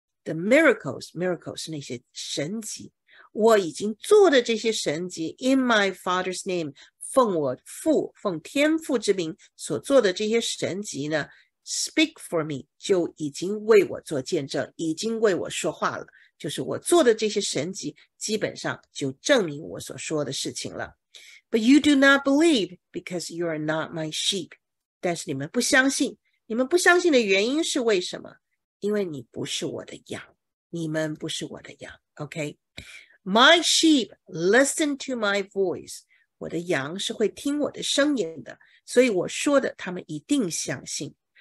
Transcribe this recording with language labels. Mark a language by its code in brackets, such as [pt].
[en] The miracles [zh] 是那些神迹，我已经做的这些神迹 [en] in my Father's name， [zh] 奉天父之名所做的这些神迹呢？ [en] Speak for me [zh] 就已经为我做见证，已经为我说话了。就是我做的这些神迹，基本上就证明我所说的事情了。 [en] But you do not believe because you are not my sheep. [zh] 但是你们不相信，你们不相信的原因是为什么？因为你不是我的羊，你们不是我的羊。 [en] OK, my sheep listen to my voice. [zh] 我的羊是会听我的声音的，所以我说的，他们一定相信。